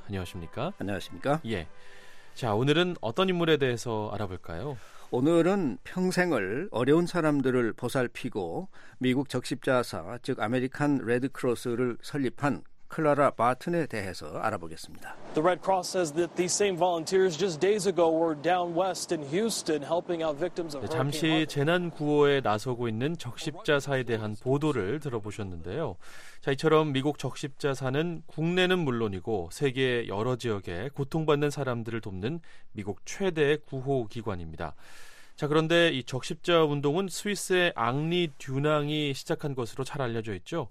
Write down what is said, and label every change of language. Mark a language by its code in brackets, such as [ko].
[ko] 안녕하십니까? 안녕하십니까? 예. 자, 오늘은 어떤 인물에 대해서 알아볼까요? 오늘은 평생을 어려운 사람들을 보살피고 미국 적십자사, 즉 아메리칸 레드크로스를 설립한 클라라 바튼에 대해서 알아보겠습니다. [en] The Red Cross says that these same volunteers just days ago were down west in Houston helping out victims of hurricane. [ko] 잠시 재난 구호에 나서고 있는 적십자사에 대한 보도를 들어보셨는데요. 자, 이처럼 미국 적십자사는 국내는 물론이고 세계 여러 지역에 고통받는 사람들을 돕는 미국 최대의 구호 기관입니다. 자, 그런데 이 적십자 운동은 스위스의 앙리 듀낭이 시작한 것으로 잘 알려져 있죠?